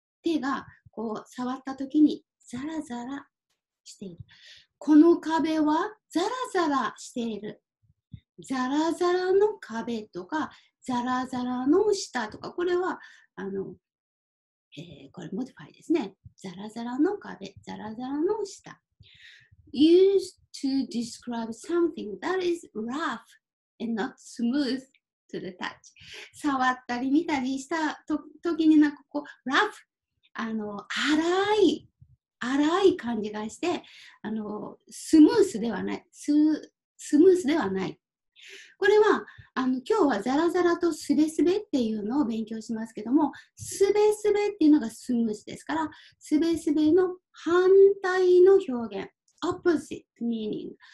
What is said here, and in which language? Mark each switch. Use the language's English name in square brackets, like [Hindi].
[Japanese] 手が、こう、触った時に、ザラザラしている。この壁はザラザラしている。ザラザラの壁とか、ザラザラの下とか、これは、これモディファイですね。ザラザラの壁、ザラザラの下。 [English] used to describe something that is rough and not smooth to the touch。 [Japanese] 触ったり見たりしたときに、なんかこう、rough、荒い。荒い感じがして、スムースではない。スムースではない。これは、今日はザラザラとスベスベっていうのを勉強しますけども、スベスベっていうのがスムースですから、スベスベの反対の表現、 opposite meaning。